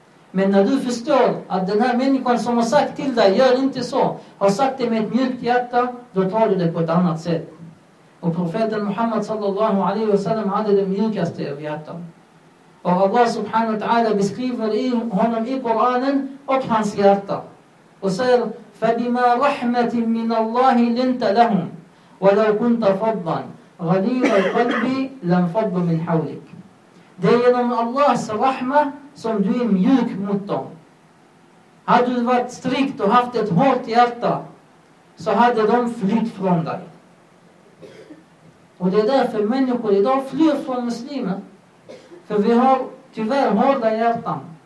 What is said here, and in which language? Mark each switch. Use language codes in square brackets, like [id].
[sv] Men när du förstår att den här människan som har sagt till dig, gör inte så, har sagt det med ett mjukt hjärta, då tar du det på ett annat sätt. Och profeten Muhammad sallallahu alaihi wasallam hade det mjukaste av hjärtan. Och Allah subhanahu wa ta'ala beskriver honom i Koranen och hans hjärta. Och säger: [ar] فَبِمَا رَحْمَةٍ مِّنَ اللَّهِ لِنْتَ لَهُمْ وَلَوْ كُنْتَ فَضًّا غَلِيظَ الْقَلْبِ لَمْ فَضُّ مِنْ حَوْلِكَ. [sv] Det är genom Allahs rahma som du är mjuk mot dem. Hade du varit strikt och haft ett hårt hjärta, så hade de flytt från dig. Och det är därför människor idag flyr från muslimer. För vi har tyvärr hårda hjärtan.